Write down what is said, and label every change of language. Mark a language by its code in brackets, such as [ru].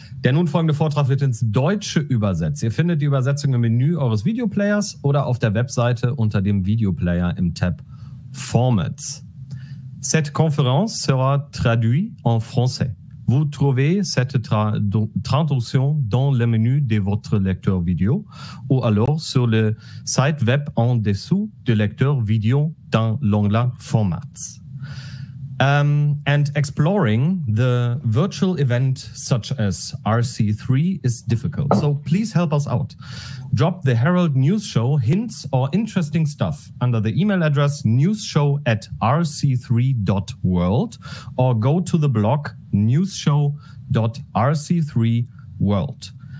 [de] Der nun folgende Vortrag wird ins Deutsche übersetzt. Ihr findet die Übersetzung im Menü eures Videoplayers oder auf der Webseite unter dem Videoplayer im Tab Formats. [fr] Cette conférence sera traduite en français. Vous trouvez cette traduction dans le menu de votre lecteur vidéo ou alors sur le site web en dessous du lecteur vidéo dans l'onglet Formats. [en] And exploring the virtual event such as RC3 is difficult. So please help us out. Drop the Herald News Show hints or interesting stuff under the email address newsshow@rc3.world or go to the blog newsshow.rc3world.